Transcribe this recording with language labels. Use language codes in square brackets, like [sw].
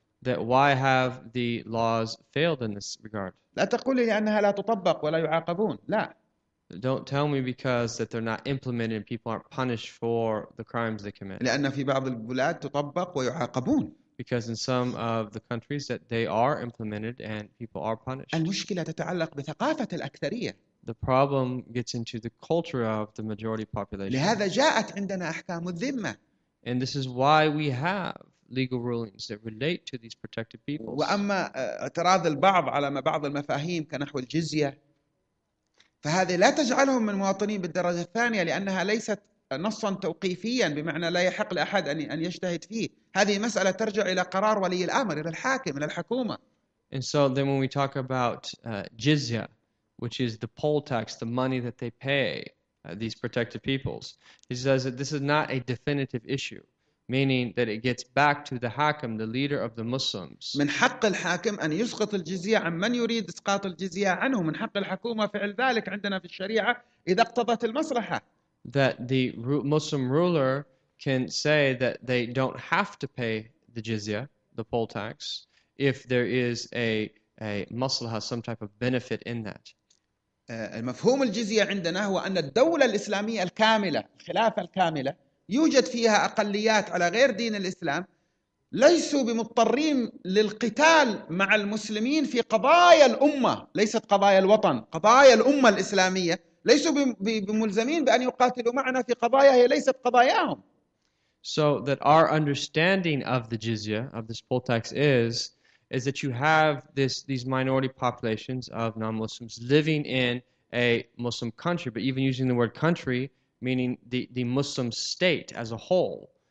[en] That why have the laws failed in this regard? [ar] لا تقولي لأنها لا تطبق ولا يعاقبون. لا. [en] Don't tell me because that they're not implemented and people aren't punished for the crimes they commit. [ar] لأن في بعض البلاد تطبق ويعاقبون. [en] Because in some of the countries that they are implemented and people are punished. [ar] المشكلة تتعلق بثقافة الأكثرية. [en] The problem gets into the culture of the majority population. [ar] لهذا جاءت عندنا أحكام الذمة. [en] And this is why we have legal rulings that relate to these protected peoples. [ar] وأما اعتراض البعض على ما بعض المفاهيم كنحو الجزية فهذه لا تجعلهم من مواطنين بالدرجة الثانية لأنها ليست نصا توقيفيا بمعنى لا يحق لأحد أن يجتهد فيه. هذه مسألة ترجع إلى قرار ولي الأمر، إلى الحاكم، إلى الحكومة. [en] And so then when we talk about jizya, which is the poll tax, the money that they pay these protected peoples, he says that this is not a definitive issue, meaning that it gets back to the hakim, the leader of the Muslims. [ar] من حق الحاكم أن يسقط الجزية عن من يريد إسقاط الجزية عنه، من حق الحكومة فعل ذلك عندنا في الشريعة إذا اقتضت المصلحة. [en] That the Muslim ruler can say that they don't have to pay the jizya, the poll tax, if there is a maslaha, some type of benefit in that. [ar] المفهوم الجزية عندنا هو أن الدولة الإسلامية الكاملة، الخلافة الكاملة، يوجد فيها أقليات على غير دين الإسلام ليسوا بمضطرين للقتال مع المسلمين في قضايا الأمة، ليست قضايا الوطن، قضايا الأمة الإسلامية، ليسوا بملزمين بأن يقاتلوا معنا في قضايا هي ليست قضاياهم. [en] So that our understanding of the jizya, of this poll tax is that you have these minority populations of non-Muslims living in a Muslim country, but even using the word country, meaning the Muslim state as a whole.